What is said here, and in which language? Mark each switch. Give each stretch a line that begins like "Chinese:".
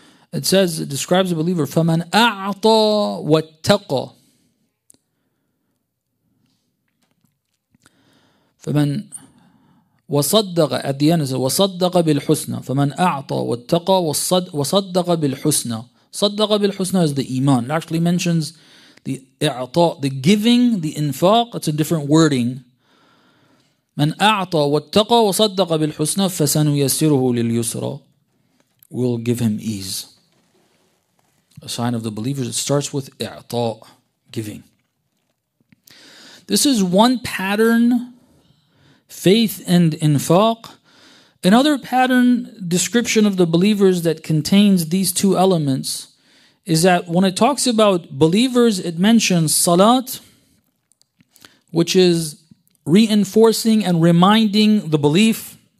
English: It says, it describes a believer,
Arabic: فَمَنْ أَعْطَى وَاتَّقَى فَمَنْ وَصَدَّقَ.
English: At the end it says,
Arabic: وَصَدَّقَ بِالْحُسْنَى. فَمَنْ أَعْطَى وَاتَّقَى وَصَدَّقَ بِالْحُسْنَى. صَدَّقَ بِالْحُسْنَى
English: is the iman. It actually mentions the i'ta, the giving, the infaq. It's a different wording.
Arabic: مَنْ أَعْطَى وَاتَّقَى وَصَدَّقَ بِالْحُسْنَى فَسَنُيَسِّرُهُ لِلْيُسْرَى.
English: We'll give him ease. a sign of the believers. It starts with i'ta, giving. This is one pattern, faith and infaq. Another pattern description of the believers that contains these two elements is that when it talks about believers, it mentions salat, which is reinforcing and reminding the belief.